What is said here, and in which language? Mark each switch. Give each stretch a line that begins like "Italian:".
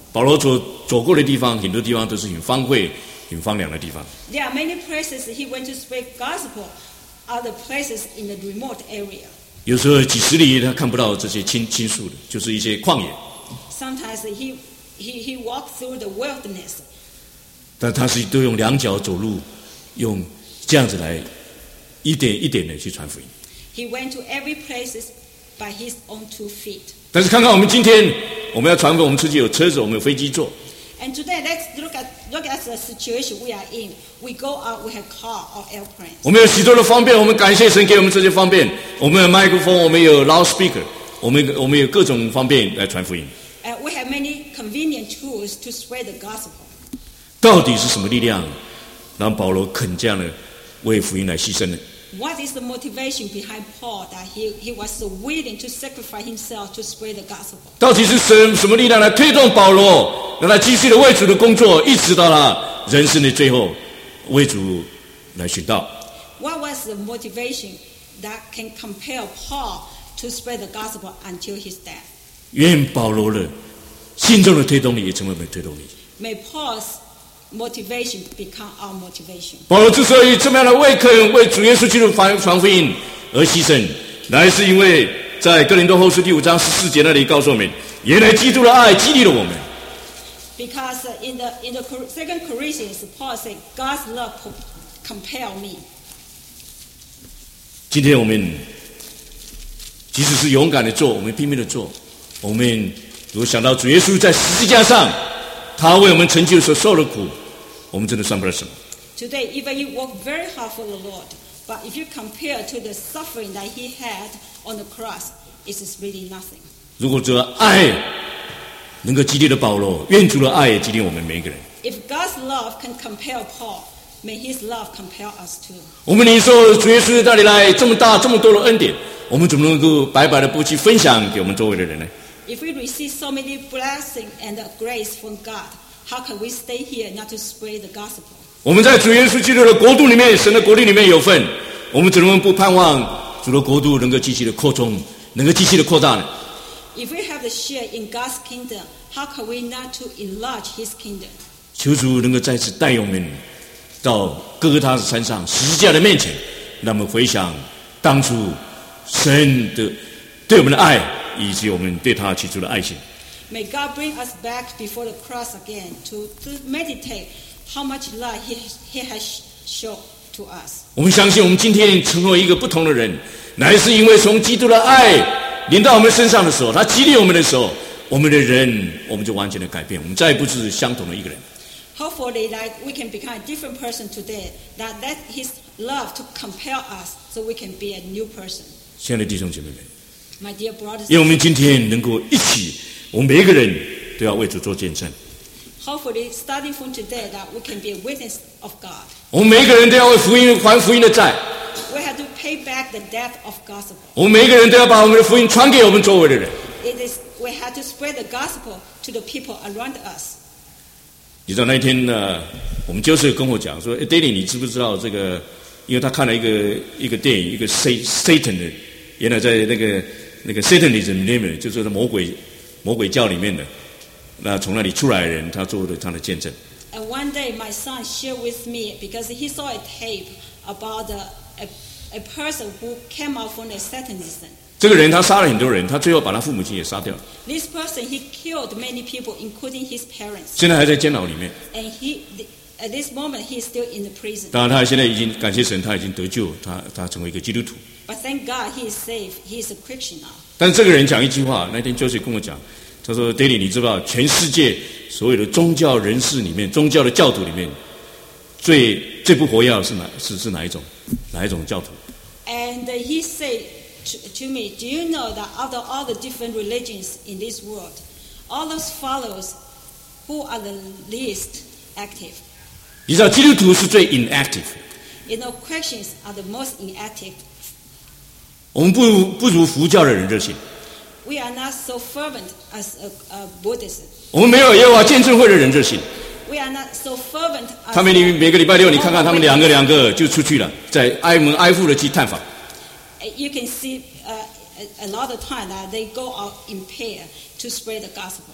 Chinese: 保罗走过的地方，很多地方都是很荒废、很荒凉的地方。
English: There are many places he went to spread gospel. Other places in the remote area.
Chinese: 有时候几十里他看不到这些青树的，就是一些旷野。
English: Sometimes he walked through the wilderness.
Chinese: 但他是都用两脚走路，用这样子来一点一点的去传福音。
English: He went to every place by his own two feet.
Chinese: 但是看看我们今天，我们要传福音，我们出去有车子，我们有飞机坐。
English: And today, let's look at the situation we are in. We go out, we have car or airplane.
Chinese: 我们有许多的方便，我们感谢神给我们这些方便。我们有microphone，我们有loudspeaker，我们有各种方便来传福音。
English: And we have many convenient tools to spread the gospel.
Chinese: 到底是什么力量让保罗肯这样的为福音来牺牲呢？
English: What is the motivation behind Paul that he was so willing to sacrifice himself to spread the gospel?
Chinese: 到底是什么力量来推动保罗？让他继续的为主的工作，一直到他人生的最后，为主来寻道。
English: What was the motivation that can compel Paul to spread the gospel until his death?
Chinese: 愿保罗的心中的推动力也成为我们的推动力。
English: May Paul's motivation become our motivation.
Chinese: 保罗之所以这么样的为肯为主耶稣基督传福音而牺牲，乃是因为在哥林多后书第五章十四节那里告诉我们，原来基督的爱激励了我们。
English: Because in the second Corinthians, Paul said, "God's love compel me."
Chinese: 今天我们即使是勇敢的做，我们拼命的做，我们如果想到主耶稣在十字架上，他为我们成就所受的苦，我们真的算不了什么。
English: Today, even you work very hard for the Lord, but if you compare to the suffering that He had on the cross, it's really nothing.
Chinese: 如果这爱能够激励的保罗，愿主的爱也激励我们每一个人。
English: If God's love can compel Paul, may His love compel us too.
Chinese: 我们领受主耶稣的带领来这么大这么多的恩典，我们怎么能够白白的不去分享给我们周围的人呢？
English: If we receive so many blessing and grace from God, how can we stay here not to spread the gospel?
Chinese: 我们在主耶稣基督的国度里面，神的国度里面有份，我们怎么不盼望主的国度能够继续的扩充，能够继续的扩大呢？
English: If we have a share in God's kingdom, how can we not to enlarge His kingdom?
Chinese: 求主能够再次带我们到哥哥他的山上十字架的面前，让我们回想当初神的对我们的爱，以及我们对他起初的爱心。
English: May God bring us back before the cross again to meditate how much love He has shown to us.
Chinese: 我们相信我们今天成为一个不同的人，乃是因为从基督的爱临到我们身上的时候，他激励我们的时候，我们的人我们就完全的改变，我们再也不是相同的一个人。
English: Hopefully that we can become a different person today, that let His love to compel us so we can be a new person.
Chinese: 亲爱的弟兄姐妹们，
English: My dear brothers,
Chinese: 因为我们今天能够一起，我们每一个人都要为主做见证。
English: Hopefully starting from today that we can be a witness of God.
Chinese: 我们每一个人都要为福音还福音的债。
English: We have to pay back the debt of gospel.
Chinese: 我们每一个人都要把我们的福音传给我们周围的人。
English: It is, we have to spread the gospel to the people around us.
Chinese: 你知道那一天呢，我们就是跟我讲说，欸，Danny，你知不知道这个？因为他看了一个电影，一个 Satan 的，原来在那个 Satanism 里面，就是魔鬼教里面的，那从那里出来的人，他做了他的见证。
English: And one day my son shared with me because he saw a tape about a person who came out from the Satanism.
Chinese: 这个人他杀了很多人，他最后把他父母亲也杀掉了。
English: This person he killed many people, including his parents.
Chinese: 现在还在监牢里面。
English: And he at this moment he is still in the prison.
Chinese: 当然他现在已经感谢神，他已经得救，他成为一个基督徒。
English: But thank God he is saved. He is a Christian now.
Chinese: 但这个人讲一句话，那天 Joseph 跟我讲，他说 ：“Daddy， 你知不知道全世界所有的宗教人士里面，宗教的教徒里面，最不活跃的是哪一种教徒
English: ？”And he said to me, "Do you know that out of all the different religions in this world, all those followers who are the least active.
Chinese: 你知道基督徒是最
English: inactive。 You know, Christians are the most inactive.
Chinese: 我们不如佛教的人热心。
English: We are not so fervent as a Buddhist.
Chinese: 我们没有耶和华见证会的人热心。
English: We are not so fervent.
Chinese: 他们每个礼拜六，你看看他们两个两个就出去了，在挨门挨户的去探访。
English: You can see a lot of time that they go out in pair to spread the gospel.